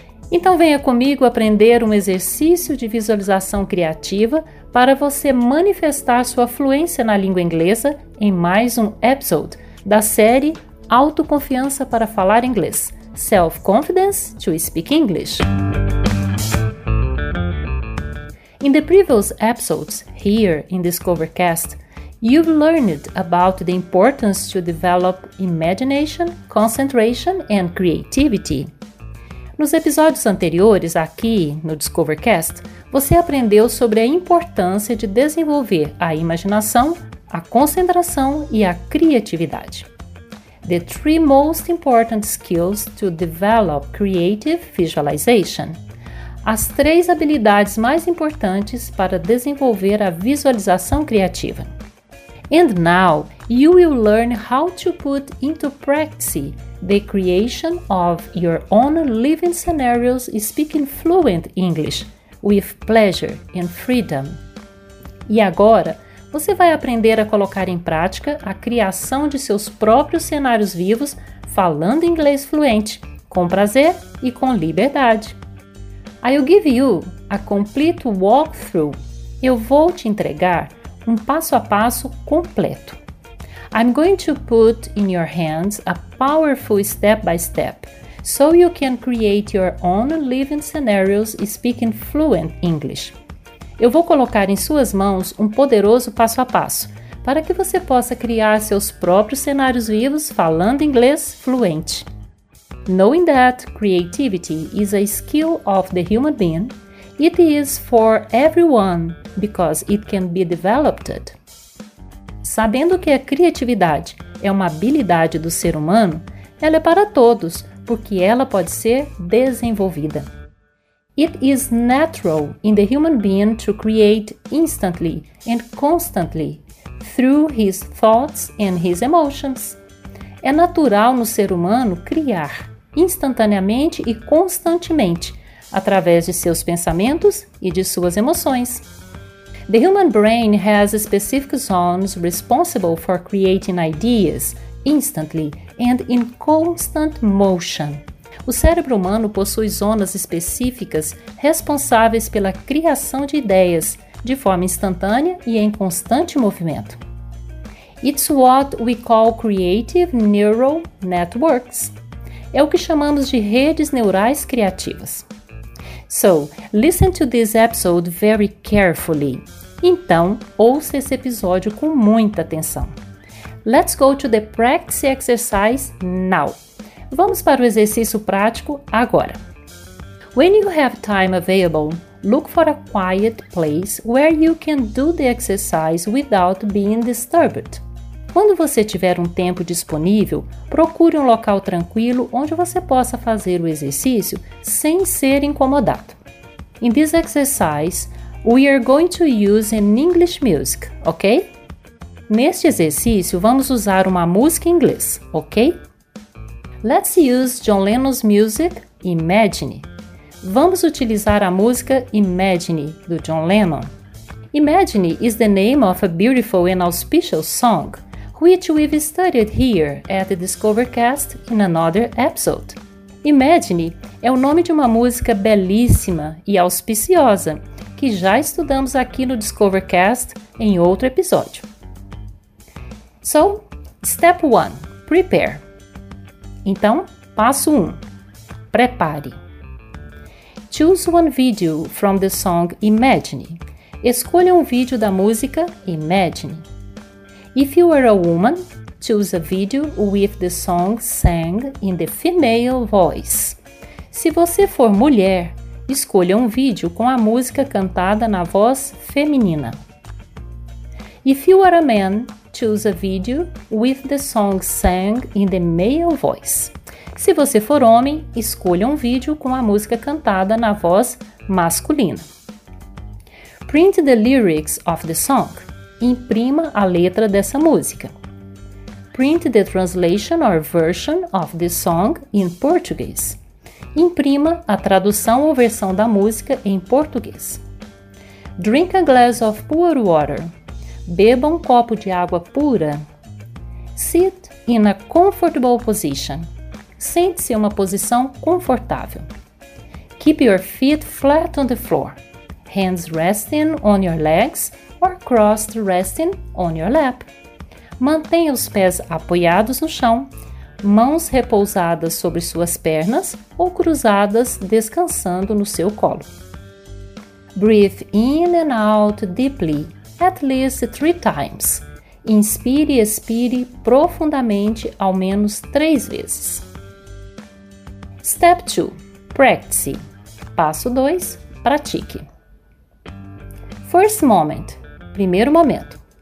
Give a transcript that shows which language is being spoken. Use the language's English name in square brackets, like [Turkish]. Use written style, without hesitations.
[Portuguese] Então venha comigo aprender um exercício de visualização criativa para você manifestar sua fluência na língua inglesa em mais um episode da série Autoconfiança para Falar Inglês, Self-Confidence to Speak English. [English] In the previous episodes here in DiscoverCast, you've learned about the importance to develop imagination, concentration, and creativity. [Portuguese] Nos episódios anteriores, aqui no DiscoverCast, você aprendeu sobre a importância de desenvolver a imaginação, a concentração e a criatividade. [English] The three most important skills to develop creative visualization. [Portuguese] As três habilidades mais importantes para desenvolver a visualização criativa. [English] And now, you will learn how to put into practice the creation of your own living scenarios speaking fluent English, with pleasure and freedom. [Portuguese] E agora, você vai aprender a colocar em prática a criação de seus próprios cenários vivos falando inglês fluente, com prazer e com liberdade. [English] I'll give you a complete walkthrough. [Portuguese] Eu vou te entregar um passo a passo completo. [English] I'm going to put in your hands a powerful step-by-step so you can create your own living scenarios speaking fluent English. [Portuguese] Eu vou colocar em suas mãos um poderoso passo a passo para que você possa criar seus próprios cenários vivos falando inglês fluente. [English] Knowing that creativity is a skill of the human being, it is for everyone because it can be developed. [Portuguese] Sabendo que a criatividade é uma habilidade do ser humano, ela é para todos porque ela pode ser desenvolvida. [English] It is natural in the human being to create instantly and constantly through his thoughts and his emotions. [Portuguese] É natural no ser humano criar instantaneamente e constantemente, através de seus pensamentos e de suas emoções. [English] The human brain has specific zones responsible for creating ideas instantly and in constant motion. [Portuguese] O cérebro humano possui zonas específicas responsáveis pela criação de ideias, de forma instantânea e em constante movimento. [English] It's what we call creative neural networks. [Portuguese] É o que chamamos de redes neurais criativas. [English] So, listen to this episode very carefully. [Portuguese] Então, ouça esse episódio com muita atenção. [English] Let's go to the practice exercise now. [Portuguese] Vamos para o exercício prático agora. [English] When you have time available, look for a quiet place where you can do the exercise without being disturbed. [Portuguese] Quando você tiver um tempo disponível, procure um local tranquilo onde você possa fazer o exercício sem ser incomodado. [English] In this exercise, we are going to use an English music, ok? [Portuguese] Neste exercício, vamos usar uma música em inglês, ok? [English] Let's use John Lennon's music, Imagine. [Portuguese] Vamos utilizar a música Imagine, do John Lennon. [English] Imagine is the name of a beautiful and auspicious song, which we've studied here at the DiscoverCast in another episode. [Portuguese] Imagine é o nome de uma música belíssima e auspiciosa, que já estudamos aqui no DiscoverCast em outro episódio. [English] So, step 1, prepare. [Portuguese] Então, passo 1, prepare. [English] Choose one video from the song Imagine. [Portuguese] Escolha um vídeo da música Imagine. [English] If you are a woman, choose a video with the song sang in the female voice. [Portuguese] Se você for mulher, escolha um vídeo com a música cantada na voz feminina. [English] If you are a man, choose a video with the song sang in the male voice. [Portuguese] Se você for homem, escolha um vídeo com a música cantada na voz masculina. [English] Print the lyrics of the song. [Portuguese] Imprima a letra dessa música. [English] Print the translation or version of the song in Portuguese. [Portuguese] Imprima a tradução ou versão da música em português. [English] Drink a glass of pure water. [Portuguese] Beba um copo de água pura. [English] Sit in a comfortable position. [Portuguese] Sente-se em uma posição confortável. [English] Keep your feet flat on the floor. Hands resting on your legs or crossed resting on your lap. [Portuguese] Mantenha os pés apoiados no chão, mãos repousadas sobre suas pernas ou cruzadas descansando no seu colo. [English] Breathe in and out deeply, at least 3 times. [Portuguese] Inspire e expire profundamente ao menos 3 vezes. [English] Step 2. Practice. [Portuguese] Passo 2. Pratique. [English] First moment. [Portuguese] Primeiro momento.